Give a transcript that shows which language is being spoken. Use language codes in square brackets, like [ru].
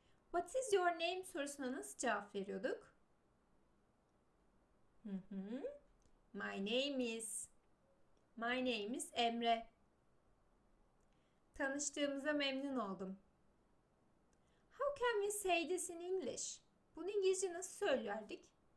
[en] What is your name [tr] sorusuna nasıl cevap veriyorduk? [en] My name is. My name is Emre. [tr] Tanıştığımıza memnun oldum. [en] How can we say this in English? [tr] Bunu İngilizce nasıl söylerdik?